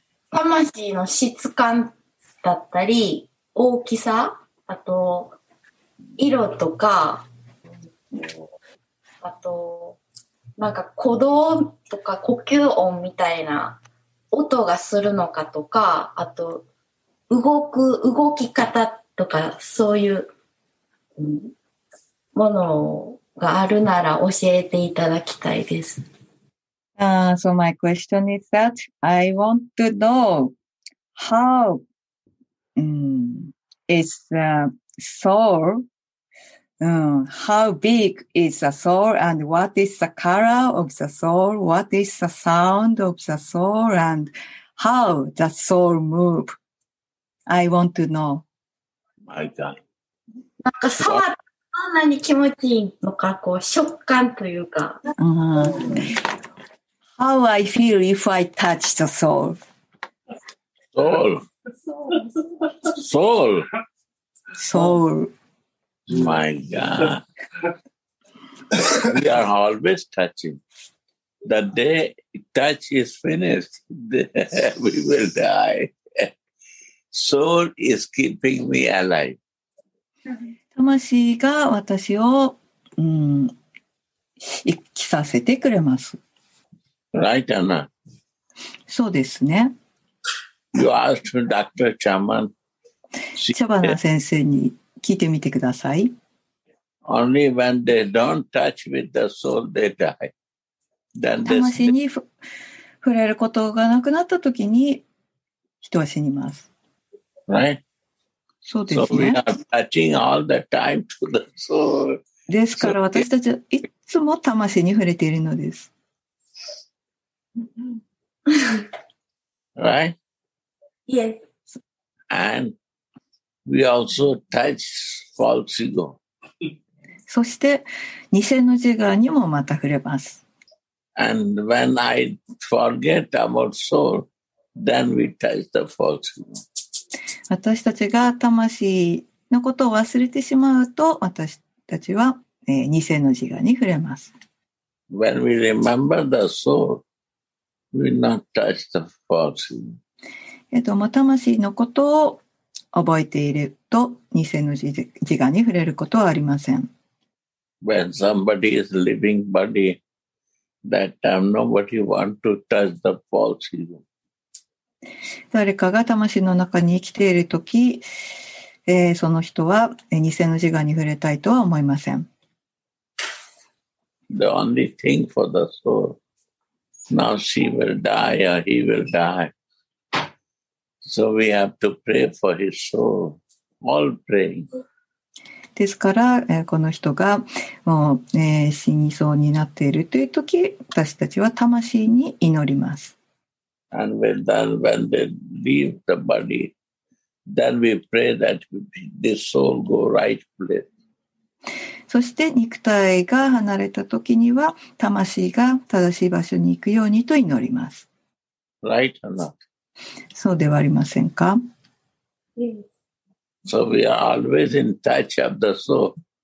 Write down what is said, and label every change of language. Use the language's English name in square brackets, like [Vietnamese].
[Japanese] 魂の質感だったり大きさ、あと色とか、あとなんか鼓動とか呼吸音みたいな音がするのかとか、あと動き方とかそういうものがあるなら教えていただきたいです。 [English] So my question is that I want to know how is the soul How big is the soul and what is the color of the soul? What is the sound of the soul and how the soul move? I want to know. My God. [Japanese] なんか触ったらどんなに気持ちいいのか、こう食感というか。 [English] How I feel if I touch the soul? Soul. Soul. Soul. My God. We are always touching. The day touch is finished, we will die. Soul is keeping me alive. [Japanese] 魂が私を、生きさせてくれます。 [English] Right, Anna? [Japanese] そうですね。 [English] You asked Dr. Chaman. [Japanese] チャバナ先生に聞いてみてください。 [English] Only when they don't touch with the soul, they die. Then they [Japanese] 魂に触れることがなくなったときに人は死にます。 [English] Right? [Japanese] そうですね。 [English] So we are touching all the time to the soul. [Japanese] ですから私たちはいつも魂に触れているのです。 [English] Right? Yes. And we also touch false ego. [Japanese] そして偽の自我にもまた触れます。 [English] And when I forget about soul, then we touch the false ego. [Japanese] 私たちが魂のことを忘れてしまうと、私たちは、偽の自我に触れます。 [English] When we remember the soul, we not touch the false ego. [Japanese] 魂のことを覚えていると、偽の自我に触れることはありません。 [English] When somebody is living body, that time nobody wants to touch the false ego. [Japanese] 誰かが魂の中に生きているとき、その人は偽の自我に触れたいとは思いません。 [English] The only thing for the soul, now she will die or he will die. So we have to pray for his soul, all praying. [Japanese] ですから、この人がもう、死にそうになっているというとき、私たちは魂に祈ります。 [English] And when they leave the body, then we pray that this soul go right place. [Japanese] そして肉体が離れた時には魂が正しい場所に行くようにと祈ります。 [English] Right or not? [Japanese] そうではありませんか? [English] So we are always in touch of the soul.